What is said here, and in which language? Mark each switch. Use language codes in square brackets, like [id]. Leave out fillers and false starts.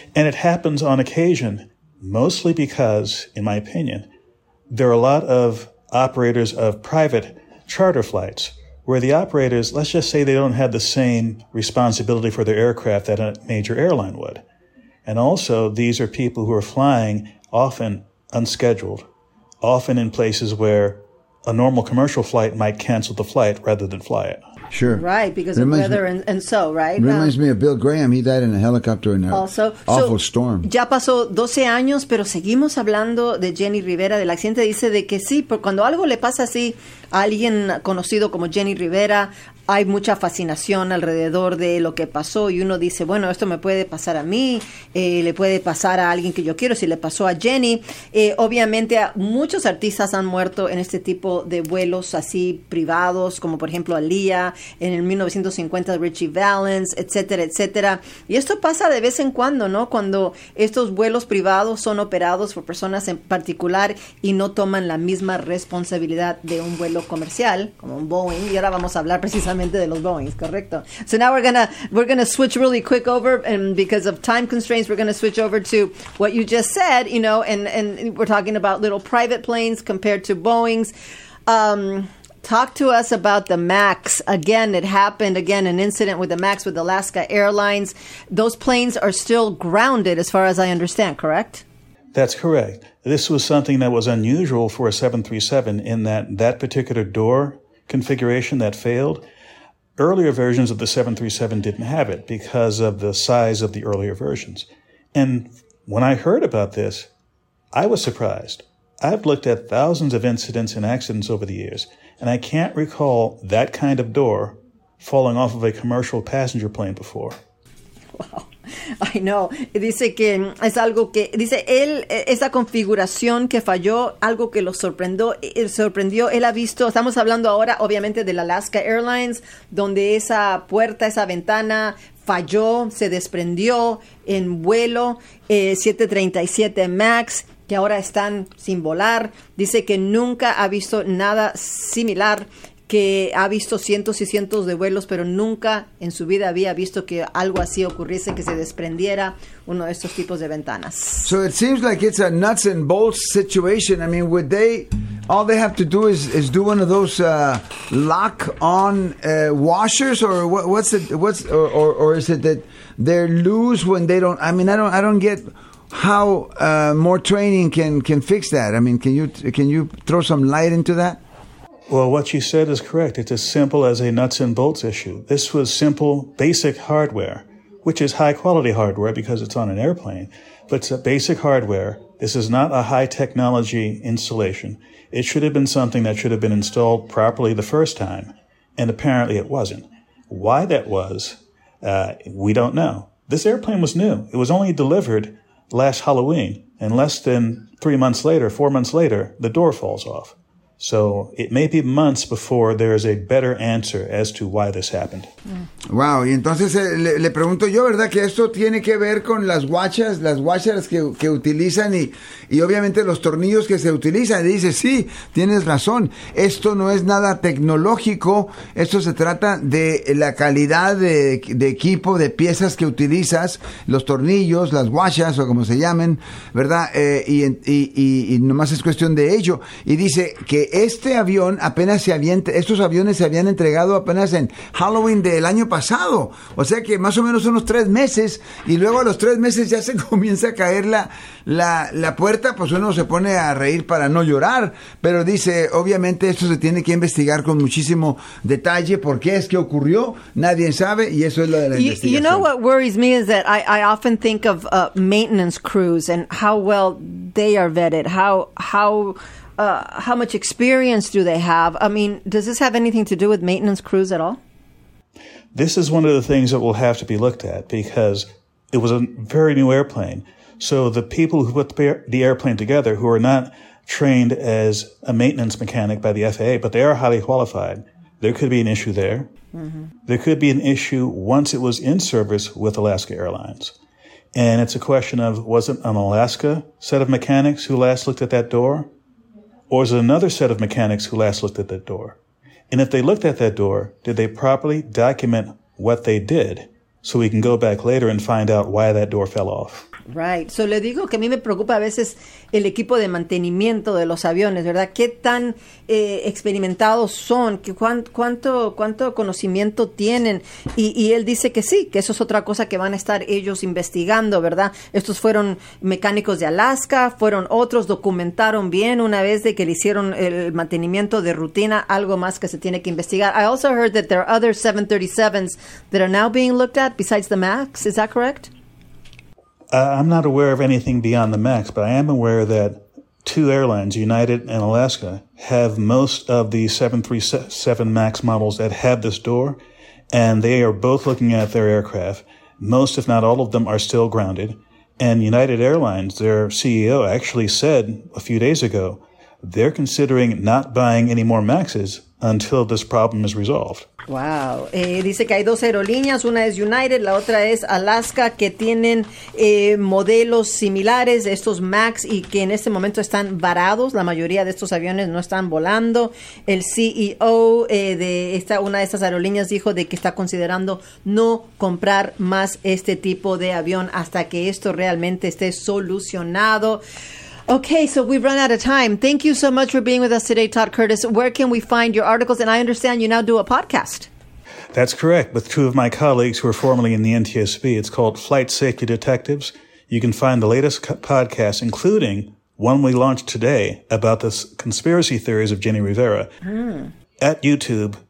[en] And it happens on occasion, mostly because, in my opinion, there are a lot of operators of private charter flights where the operators, let's just say, they don't have the same responsibility for their aircraft that a major airline would. And also, these are people who are flying often unscheduled, often in places where a normal commercial flight might cancel the flight rather than fly it. Sure. Right, because reminds of weather and so, right? Reminds me of Bill Graham. He died in a helicopter in an awful storm. [es] Ya pasó 12 años, pero seguimos hablando de Jenny Rivera, del accidente. Dice de que sí, porque cuando algo le pasa así a alguien conocido como Jenny Rivera, hay mucha fascinación alrededor de lo que pasó. Y uno dice, bueno, esto me puede pasar a mí, le puede pasar a alguien que yo quiero, si le pasó a Jenny. Obviamente, muchos artistas han muerto en este tipo de vuelos así privados, como por ejemplo Aaliyah, en el 1950 Richie Valens, etcétera, etcétera. Y esto pasa de vez en cuando, ¿no? Cuando estos vuelos privados son operados por personas en particular y no toman la misma responsabilidad de un vuelo comercial, como un Boeing. Y ahora vamos a hablar precisamente de los Boeings, correcto. [en] So now we're gonna switch really quick over, and because of time constraints, we're gonna switch over to what you just said, you know, and we're talking about little private planes compared to Boeings. Talk to us about the MAX. Again, it happened again, an incident with the MAX with Alaska Airlines. Those planes are still grounded, as far as I understand, correct? That's correct. This was something that was unusual for a 737 in that particular door configuration that failed Earlier versions of the 737 didn't have it because of the size of the earlier versions. And when I heard about this, I was surprised. I've looked at thousands of incidents and accidents over the years, and I can't recall that kind of door falling off of a commercial passenger plane before. Wow. I know. [es] Dice que es algo que... Dice él, esa configuración que falló, algo que lo sorprendió. Él ha visto... Estamos hablando ahora, obviamente, de la Alaska Airlines, donde esa puerta, esa ventana... falló, se desprendió en vuelo 737 MAX, que ahora están sin volar. Dice que nunca ha visto nada similar, que ha visto cientos y cientos de vuelos, pero nunca en su vida había visto que algo así ocurriese, que se desprendiera uno de estos tipos de ventanas. [en] So it seems like it's a nuts and bolts situation. I mean, would they... All they have to do is do one of those lock-on washers, or what's is it that they're loose when they don't? I mean, I don't get how more training can fix that. I mean, can you throw some light into that? Well, what you said is correct. It's as simple as a nuts and bolts issue. This was simple, basic hardware, which is high quality hardware because it's on an airplane, but it's a basic hardware. This is not a high technology installation. It should have been something that should have been installed properly the first time, and apparently it wasn't. Why that was, we don't know. This airplane was new. It was only delivered last Halloween, and less than 3 months later, 4 months later, the door falls off. So it may be months before there is a better answer as to why this happened. [es] Wow. Y entonces le pregunto yo, ¿verdad? Que esto tiene que ver con las guachas que utilizan y obviamente los tornillos que se utilizan. Y dice, sí, tienes razón. Esto no es nada tecnológico. Esto se trata de la calidad de equipo, de piezas que utilizas, los tornillos, las guachas o como se llamen, ¿verdad? Y nomás es cuestión de ello. Y dice que este avión apenas se había, estos aviones se habían entregado apenas en Halloween del año pasado, o sea que más o menos unos 3 meses, y luego a los 3 meses ya se comienza a caer la puerta, pues uno se pone a reír para no llorar, pero dice, obviamente esto se tiene que investigar con muchísimo detalle, ¿por qué es que ocurrió? Nadie sabe, y eso es lo de la investigación. [en] You know what worries me is that I often think of maintenance crews and how well they are vetted, how much experience do they have? I mean, does this have anything to do with maintenance crews at all? This is one of the things that will have to be looked at because it was a very new airplane. So the people who put the airplane together, who are not trained as a maintenance mechanic by the FAA, but they are highly qualified, there could be an issue there. Mm-hmm. There could be an issue once it was in service with Alaska Airlines. And it's a question of, was it an Alaska set of mechanics who last looked at that door? Or is it another set of mechanics who last looked at that door? And if they looked at that door, did they properly document what they did so we can go back later and find out why that door fell off? Right. [es] So le digo que a mí me preocupa a veces el equipo de mantenimiento de los aviones, ¿verdad? ¿Qué tan experimentados son? ¿Cuánto conocimiento tienen? Y él dice que sí, que eso es otra cosa que van a estar ellos investigando, ¿verdad? Estos fueron mecánicos de Alaska, fueron otros, documentaron bien una vez de que le hicieron el mantenimiento de rutina, algo más que se tiene que investigar. [en] I also heard that there are other 737s that are now being looked at besides the MAX. Is that correct? I'm not aware of anything beyond the MAX, but I am aware that two airlines, United and Alaska, have most of the 737 MAX models that have this door, and they are both looking at their aircraft. Most, if not all of them, are still grounded. And United Airlines, their CEO, actually said a few days ago, they're considering not buying any more MAXes until this problem is resolved. Wow. [es] Dice que hay dos aerolíneas, una es United, la otra es Alaska, que tienen modelos similares, estos MAX, y que en este momento están varados. La mayoría de estos aviones no están volando. El CEO de esta una de estas aerolíneas dijo de que está considerando no comprar más este tipo de avión hasta que esto realmente esté solucionado. [en] Okay, so we've run out of time. Thank you so much for being with us today, Todd Curtis. Where can we find your articles? And I understand you now do a podcast. That's correct. With two of my colleagues who are formerly in the NTSB, it's called Flight Safety Detectives. You can find the latest podcast, including one we launched today about the conspiracy theories of Jenny Rivera, at YouTube.